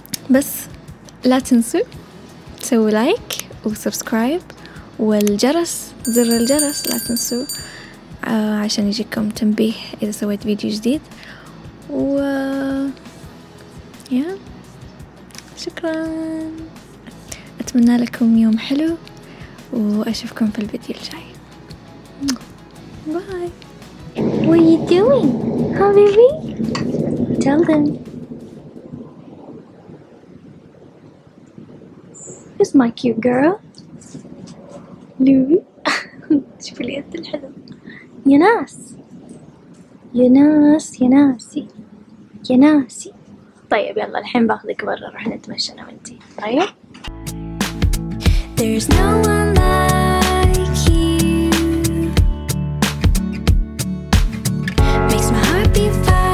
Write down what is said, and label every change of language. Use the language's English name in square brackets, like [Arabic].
[Arabic] بس لا تنسوا تسوي لايك وسبسكرايب والجرس، زر الجرس لا تنسوا عشان يجيكم تنبيه إذا سويت فيديو جديد. و يا شكرا، أتمنى لكم يوم حلو وأشوفكم في الفيديو الجاي. باي. [English] What are you doing, huh, baby? Tell them. Who's my cute girl? Louie. [Arabic] شوفي لي أنت الحلو. يا ناس. يا ناس يا ناسي. يا ناسي. طيب يلا الحين باخذك برا رح نتمشى أنا وأنتي. طيب. [English] There's no one like you. Makes my heart beat fast.